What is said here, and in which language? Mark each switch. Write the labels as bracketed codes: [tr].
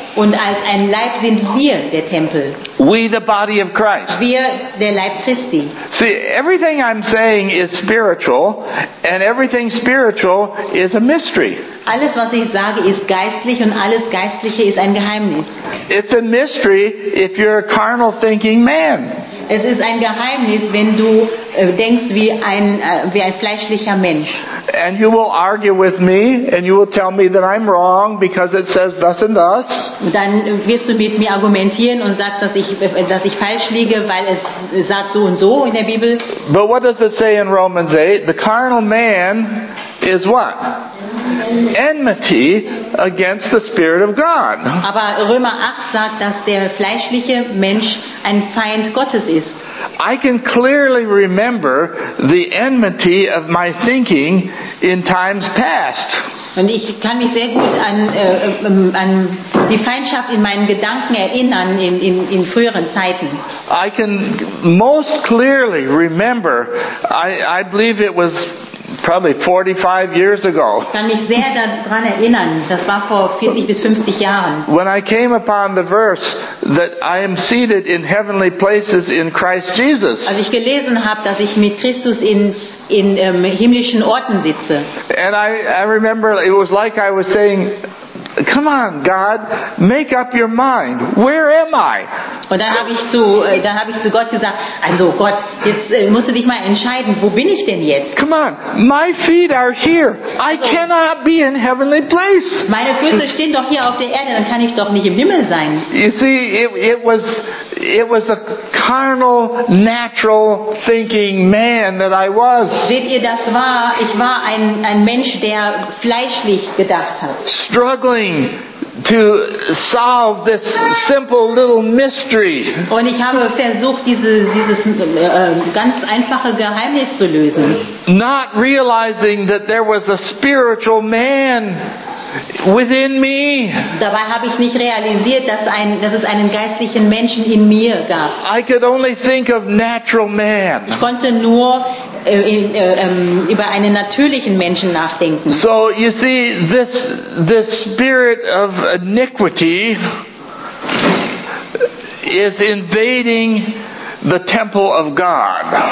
[de] Und als ein Leib sind wir der Tempel. [en] We the body of Christ. [de] Wir der Leib Christi. [en] See, everything I'm saying is spiritual, and everything spiritual is a mystery. [de] Alles, was ich sage, ist geistlich und alles Geistliche ist ein Geheimnis. [en] It's a mystery if you're a carnal thinking man. [de] Es ist ein Geheimnis, wenn du denkst wie ein fleischlicher Mensch. [en] And you will argue with me and you will tell me that I'm wrong because it says thus and thus. [de] Dann wirst du mit mir argumentieren und sagst, dass ich falsch liege, weil es sagt so und so in der Bibel. [en] But what does it say in Romans 8? The carnal man is what? Enmity against the Spirit of God. [de] Aber Römer 8 sagt, dass der fleischliche Mensch ein Feind Gottes ist. [en] I can clearly remember the enmity of my thinking in times past. [de] Und ich kann mich sehr gut an die Feindschaft in meinen Gedanken erinnern in früheren Zeiten. [en] I can most clearly remember, I believe it was probably 45 years ago. [de] Kann mich sehr daran erinnern. Das war vor 40 bis 50 Jahren. [en] When I came upon the verse that I am seated in heavenly places in Christ Jesus. [de] Als ich gelesen habe, dass ich mit Christus in himmlischen Orten sitze. [en] And I remember it was like I was saying, Come on, God, make up your mind. Where am I? [de] Und dann habe ich zu Gott gesagt, also Gott, jetzt musst du dich mal entscheiden, wo bin ich denn jetzt? [en] Come on, my feet are here. I cannot be in heavenly place. [de] Meine Füße stehen doch hier auf der Erde, dann kann ich doch nicht im Himmel sein. [en] You see, it was a carnal, natural thinking man that I was. [de] Seht ihr, das war, ich war ein Mensch, der fleischlich gedacht hat. [en] Struggling to solve this simple little mystery. [de] Und ich habe versucht, dieses ganz einfache Geheimnis zu lösen. [en] Not realizing that there was a spiritual man within me. [de] Dabei habe ich nicht realisiert, dass es einen geistlichen Menschen in mir gab. [en] I could only think of natural man. [de] Ich konnte nur über einen natürlichen Menschen nachdenken. [en] So you see, this spirit of iniquity is invading the temple of God.